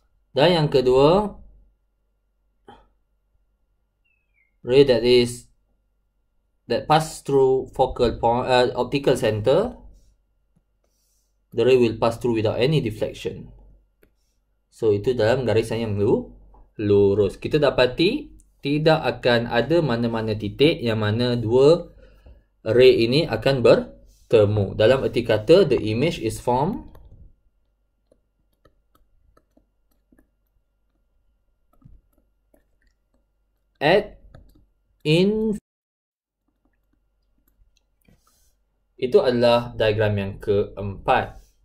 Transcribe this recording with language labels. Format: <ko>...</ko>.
<ms>Dan yang kedua,</ms> <en>ray that pass through focal point, optical center, the ray will pass through without any deflection.</en> <ms>So, itu dalam garisan yang lurus. Kita dapati tidak akan ada mana-mana titik yang mana dua ray ini akan bertemu. Dalam erti kata,</ms> <en>the image is formed at in</en> <ms>Itu adalah diagram yang keempat.</ms>